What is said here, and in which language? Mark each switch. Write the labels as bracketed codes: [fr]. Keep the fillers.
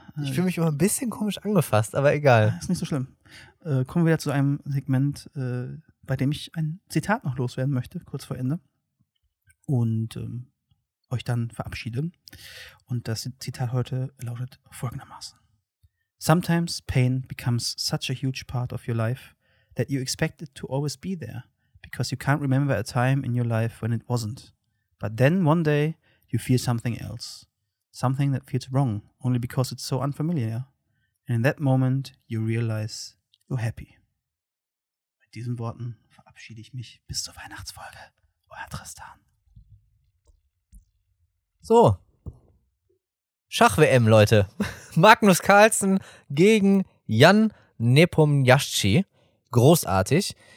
[de] Ich fühle mich immer ein bisschen komisch angefasst, aber egal. Ja, ist nicht so schlimm. Äh, kommen wir wieder zu einem Segment, äh, bei dem ich ein Zitat noch loswerden möchte, kurz vor Ende. Und ähm, euch dann verabschiede. Und das Zitat heute lautet folgendermaßen. [en] Sometimes pain becomes such a huge part of your life that you expect it to always be there, because you can't remember a time in your life when it wasn't. But then one day you fear something else, something that feels wrong only because it's so unfamiliar. And in that moment, you realize you're happy. [de] Mit diesen Worten verabschiede ich mich bis zur Weihnachtsfolge. Euer Tristan. So. Schach-WM, Leute. Magnus Carlsen gegen Jan Nepomniachtchi. Großartig.